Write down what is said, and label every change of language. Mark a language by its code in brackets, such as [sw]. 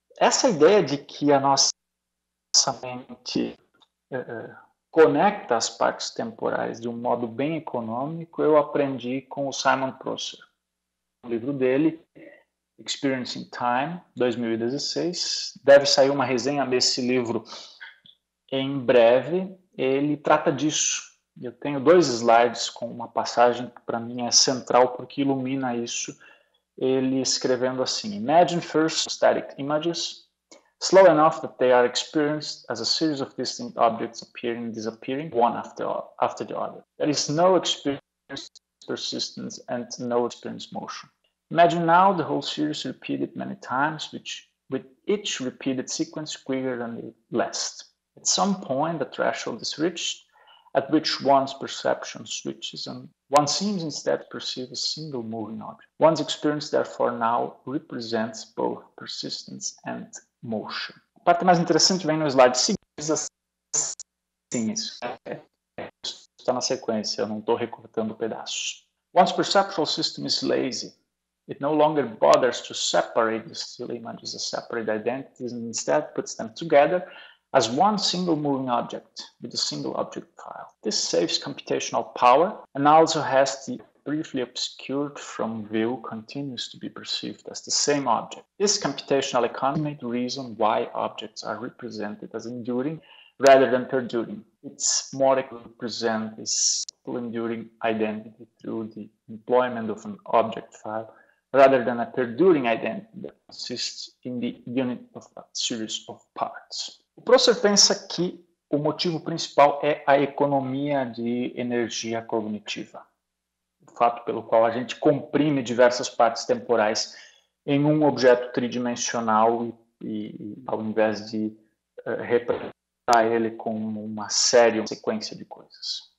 [pt] Essa ideia de que a nossa mente conecta as partes temporais de um modo bem econômico, eu aprendi com o Simon Prosser, no livro dele, Experiencing Time, 2016. Deve sair uma resenha desse livro em breve. Ele trata disso. Eu tenho dois slides com uma passagem que para mim é central porque ilumina isso. Ele escrevendo assim: [en] Imagine first static images, slow enough that they are experienced as a series of distinct objects appearing and disappearing one after the other. There is no experience persistence and no experience motion. Imagine now the whole series repeated many times, with each repeated sequence quicker than the last. At some point, the threshold is reached at which one's perception switches and one seems instead to perceive a single moving object. One's experience, therefore, now represents both persistence and motion. [pt] A parte mais interessante vem no slide seguinte. Sim, isso está na sequência, eu não estou recortando pedaços. [en] One's perceptual system is lazy. It no longer bothers to separate the still images as separate identities and instead puts them together as one single moving object with a single object file. This saves computational power and also has the briefly obscured from view continues to be perceived as the same object. This computational economy is the reason why objects are represented as enduring rather than perduring. Its molecule presents its enduring identity through the employment of an object file, rather than a perduring identity that consists in the unit of a series of parts. [pt] O professor pensa que o motivo principal é a economia de energia cognitiva, o fato pelo qual a gente comprime diversas partes temporais em um objeto tridimensional e ao invés de representar ele como uma série, uma sequência de coisas.